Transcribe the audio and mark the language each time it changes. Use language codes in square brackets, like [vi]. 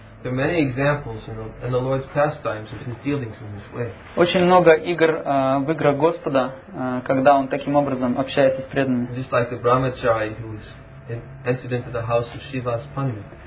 [en] There are many examples in the Lord's pastimes of his dealings in this way. [ru] Очень много игр в играх Господа, когда он таким образом общается с преданными. [en] Just like the Brahmachari who was entered into the house of Shiva's Pandit.